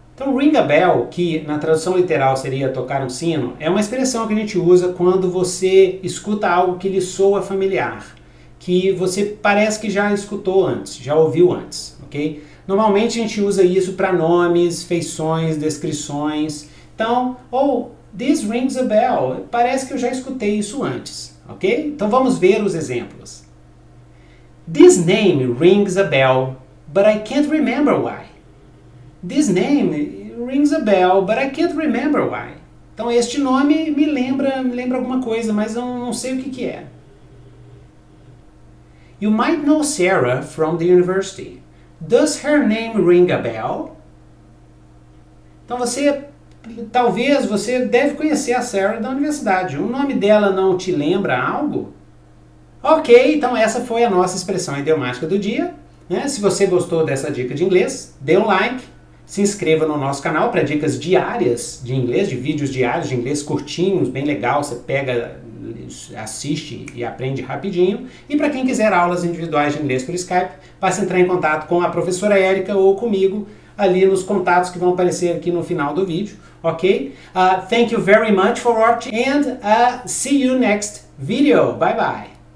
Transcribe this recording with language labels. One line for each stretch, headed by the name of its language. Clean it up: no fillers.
Portuguese: Então
English: ring a bell,
Portuguese: que na tradução literal seria tocar um sino, é uma expressão que a gente usa quando você escuta algo que lhe soa familiar, que você parece que já escutou antes, já ouviu antes, ok? Normalmente a gente usa isso para nomes, feições, descrições. Então, oh,
English: this rings a bell,
Portuguese: parece que eu já escutei isso antes, ok? Então vamos ver os exemplos.
English: This name rings a bell, but I can't remember why. This name rings a bell, but I can't remember why.
Portuguese: Então, este nome me lembra alguma coisa, mas eu não sei o que que é.
English: You might know Sarah from the university. Does her name ring a bell?
Portuguese: Então, talvez você deve conhecer a Sarah da universidade. O nome dela não te lembra algo? Ok, então essa foi a nossa expressão idiomática do dia. Né? Se você gostou dessa dica de inglês, dê um like, se inscreva no nosso canal para dicas diárias de inglês, de vídeos diários de inglês curtinhos, bem legal, você pega, assiste e aprende rapidinho. E para quem quiser aulas individuais de inglês por Skype, basta entrar em contato com a professora Erika ou comigo, ali nos contatos que vão aparecer aqui no final do vídeo, ok?
English: Thank you very much for watching and see you next video. Bye bye.